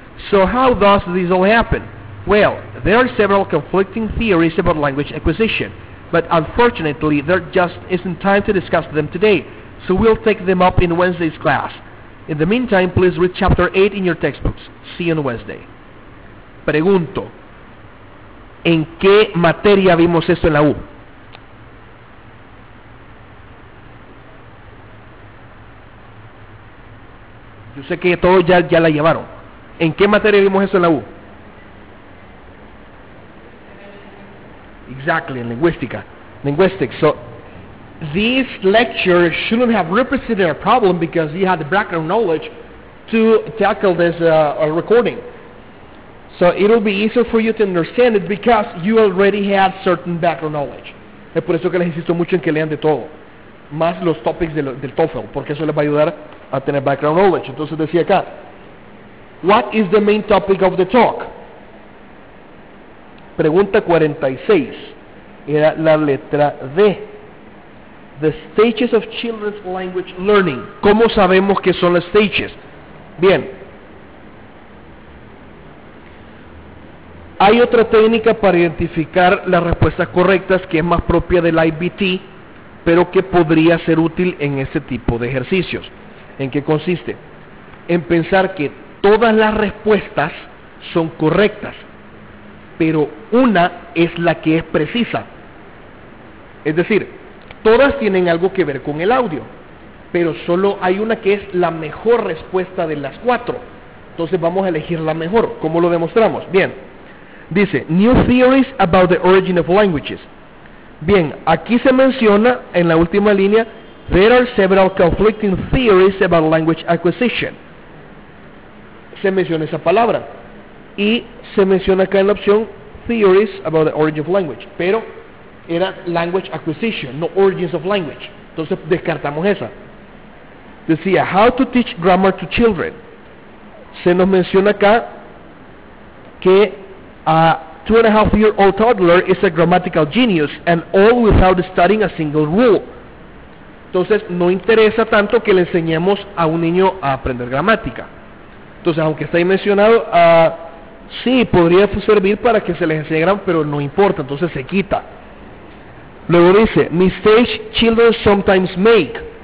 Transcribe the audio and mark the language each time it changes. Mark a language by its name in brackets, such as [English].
[English] So how does this all happen? Well, there are several conflicting theories about language acquisition, but unfortunately there just isn't time to discuss them today, so we'll take them up in Wednesday's class. In the meantime, please read chapter 8 in your textbooks. See you on Wednesday. [Spanish] Pregunto, ¿en qué materia vimos esto en la U? Yo sé que todos ya la llevaron. ¿En qué materia vimos esto en la U? [English] Exactly, [Spanish] en lingüística. [English] Linguistics. So, this lecture shouldn't have represented a problem because you had the background knowledge to tackle this recording. So it'll be easier for you to understand it because you already have certain background knowledge. [Spanish] Es por eso que les insisto mucho en que lean de todo. Más los topics del TOEFL, porque eso les va a ayudar a tener background knowledge. Entonces decía acá, [English] what is the main topic of the talk? [Spanish] Pregunta 46. Era la letra D. [English] The stages of children's language learning. [Spanish] ¿Cómo sabemos qué son las stages? Bien. Hay otra técnica para identificar las respuestas correctas que es más propia del IBT, pero que podría ser útil en este tipo de ejercicios. ¿En qué consiste? En pensar que todas las respuestas son correctas, pero una es la que es precisa. Es decir, todas tienen algo que ver con el audio, pero solo hay una que es la mejor respuesta de las cuatro. Entonces vamos a elegir la mejor. ¿Cómo lo demostramos? Bien. Dice, [English] New Theories about the Origin of Languages. [Spanish] Bien, aquí se menciona, en la última línea, [English] There are several conflicting theories about language acquisition. [Spanish] Se menciona esa palabra. Y se menciona acá en la opción, [English] Theories about the Origin of Language. [Spanish] Pero era Language Acquisition, no Origins of Language. Entonces descartamos esa. Decía, [English] How to teach grammar to children. [Spanish] Se nos menciona acá que [English] a 2.5-year-old toddler is a grammatical genius and all without studying a single rule. [Spanish] Entonces, no interesa tanto que le enseñemos a un niño a aprender gramática. Entonces, aunque está ahí mencionado, sí, podría servir para que se les enseñe gramática, pero no importa, entonces se quita. Luego dice, [English] mistakes children sometimes make.